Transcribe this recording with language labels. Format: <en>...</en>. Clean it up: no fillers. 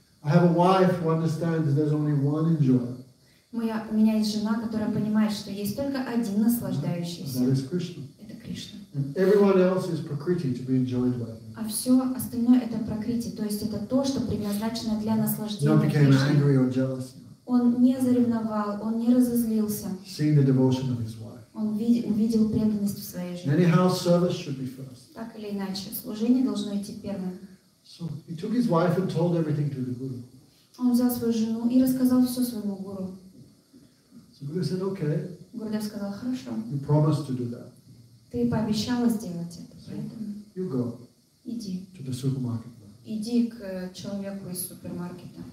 <en>I have a wife who understands that there's only one enjoyer.</en> <ru>У меня есть жена, которая понимает, что есть только один наслаждающийся. Это Кришна.</ru> <en>And everyone else is prakriti to be enjoyed by.</en> <ru>А все остальное это прокрити, то есть это то, что предназначено для наслаждения.</ru> <en>Not became angry or jealous.</en> <ru>Он не заревновал, он не разозлился.</ru> <en>Seeing the devotion of his wife.</en> <ru>Он увидел преданность в своей жене.</ru> <en>Anyhow, service should be first.</en> <ru>Так или иначе, служение должно идти первым.</ru> <en>So he took his wife and told everything to the guru.</en> <ru>Он взял свою жену и рассказал все своему гуру.</ru> <en>So Guru said, okay.</en> <ru>Гурудев сказал, хорошо.</ru> <en>You promised to do that.</en> <ru>Ты пообещала сделать это, поэтому.</ru> <en>You go.</en> <ru>Иди.</ru> <en>To the supermarket.</en> <ru>Иди к человеку из супермаркета.</ru>